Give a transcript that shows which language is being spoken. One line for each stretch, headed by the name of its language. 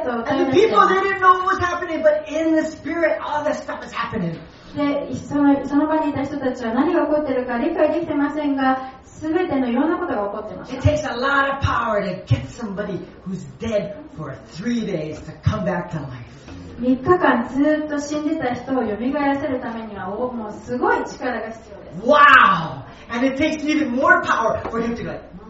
English: And the people, they didn't know what was happening, but in the spirit, all this stuff was happening.
Japanese: でその場にいた人たちは何が起こっているか理解できてませんが、すべてのいろんなことが起こっています。
English: It takes a lot of power to get somebody who's dead for three days to come back to life.
Japanese: 3日間ずっと死んでた人を蘇らせるためにはもうすごい力が必要です。
English: Wow! And it takes even more power for him to go.